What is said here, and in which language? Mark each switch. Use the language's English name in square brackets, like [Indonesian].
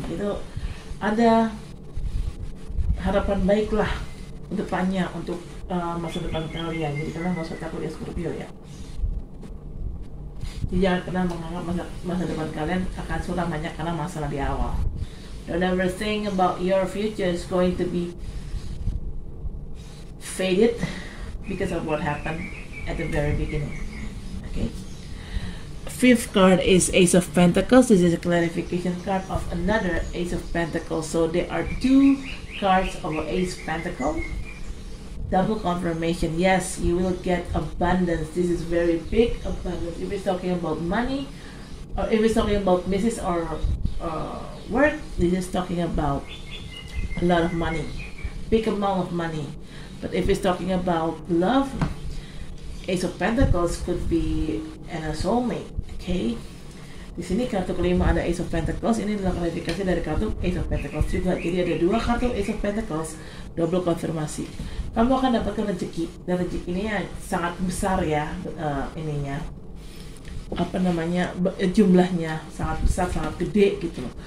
[Indonesian] Itu ada harapan baiklah kedepannya untuk masa depan kalian. Jadi kalian gak usah takut ya Scorpio ya. Jadi jangan pernah menganggap masa depan kalian akan suram banyak karena masalah di awal. [English] Don't ever think about your future is going to be faded because of what happened at the very beginning. Okay. Fifth card is Ace of Pentacles. This is a clarification card of another Ace of Pentacles. So there are two cards of Ace of Pentacles. Double confirmation. Yes, you will get abundance. This is very big abundance. If it's talking about money, or if it's talking about business or work, this is talking about a lot of money, big amount of money. But if it's talking about love, Ace of Pentacles could be an soulmate. [Indonesian] Okay, di sini kartu kelima ada Ace of Pentacles. Ini adalah klarifikasi dari kartu Ace of Pentacles juga. Jadi ada dua kartu Ace of Pentacles, double konfirmasi. Kamu akan dapatkan rezeki, dan rezeki ini ya sangat besar ya, ininya apa namanya, jumlahnya sangat besar, sangat gede gitu.